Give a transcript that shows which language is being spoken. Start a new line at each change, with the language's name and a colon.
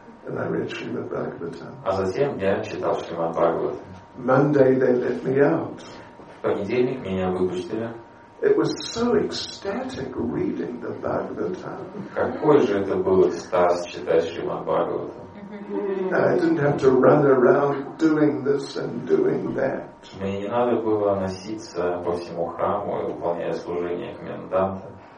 English: And I read Srimad Bhagavatam.
Russian: А затем я читал Шримад Бхагаватам.
English: Monday they let me out.
Russian: В понедельник меня выпустили.
English: It was so ecstatic reading the Bhagavata.
Russian: Какой же это был экстаз читать Шримад Бхагаватам?
English: I didn't have to run around doing this and doing that.
Russian: Мне не надо было носиться по всему храму, выполняя служение коменданта.